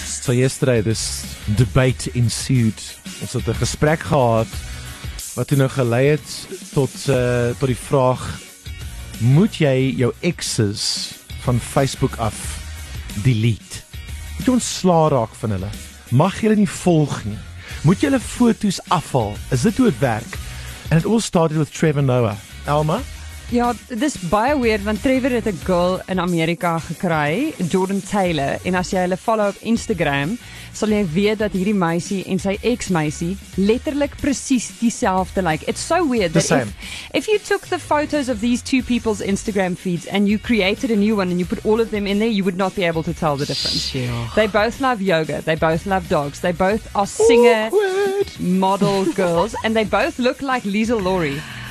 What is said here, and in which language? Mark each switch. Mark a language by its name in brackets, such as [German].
[English] So yesterday this debate ensued. [Afrikaans] Ons het 'n gesprek gehad wat toe nou gelei het tot die vraag: moet jy jou exes van Facebook af delete? Moet jy ontslaa raak van hulle? Mag jy hulle nie volg nie? Moet jy hulle foto's afhaal? Is dit hoe dit werk? [English] And it all started with Trevor Noah. Elma? [Afrikaans] Ja, dit is baie weird, want Trevor het 'n girl in Amerika gekry, Jordan Taylor, en as jy hulle follow op Instagram, sal jy weet dat hierdie meisie en sy ex-meisie letterlik presies dieselfde lyk. [English] It's so weird. The same. If you took the photos of these two people's Instagram feeds and you created a new one and you put all of them in there, you would not be able to tell the difference. Sure. They both love yoga. They both love dogs. They both are singer, awkward, model girls, and they both look like Lisa Laurie.